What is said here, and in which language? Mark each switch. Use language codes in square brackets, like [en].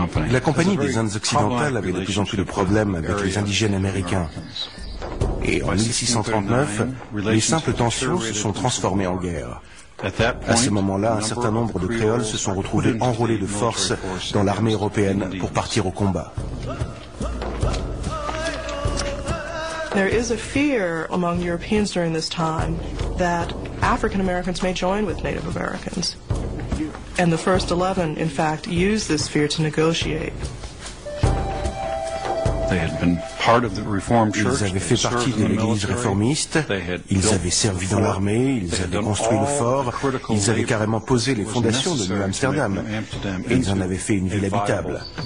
[fr] La Compagnie des Indes occidentales avait de plus en plus de problèmes avec les indigènes américains. Et en 1639, les simples tensions se sont transformées en guerre. À ce moment-là, un certain nombre de créoles se sont retrouvés enrôlés de force dans l'armée européenne pour partir au combat. [en] There is a fear among Europeans during this time that African Americans may join with Native Americans. And the first 11, in fact, used this fear to negotiate. They had been part of the Reformed Church. [fr] Ils avaient fait partie de l'Église réformiste, ils avaient servi dans l'armée, ils avaient construit le fort, ils avaient carrément posé les fondations de New Amsterdam, et ils en avaient fait une ville habitable.